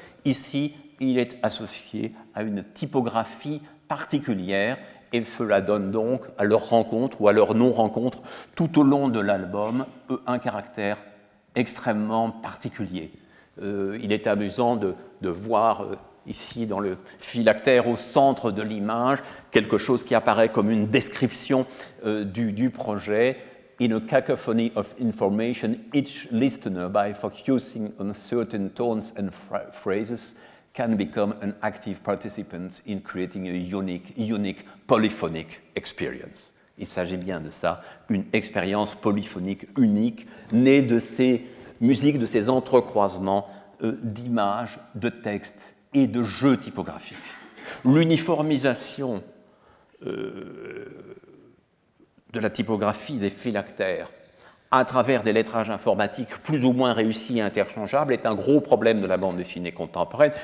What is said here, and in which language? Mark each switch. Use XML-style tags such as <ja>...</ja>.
<fr>Ici, il est associé à une typographie particulière et cela donne donc à leur rencontre ou à leur non-rencontre tout au long de l'album un caractère extrêmement particulier. Il est amusant de voir ici dans le phylactère au centre de l'image quelque chose qui apparaît comme une description du projet.</fr> <en>In a cacophony of information, each listener by focusing on certain tones and phrases can become an active participant in creating a unique polyphonic experience.</en> <fr>Il s'agit bien de ça, une expérience polyphonique unique, née de ces musiques, de ces entrecroisements d'images, de textes et de jeux typographiques. L'uniformisation de la typographie des phylactères à travers des lettrages informatiques plus ou moins réussis et interchangeables, est un gros problème de la bande dessinée contemporaine.</fr>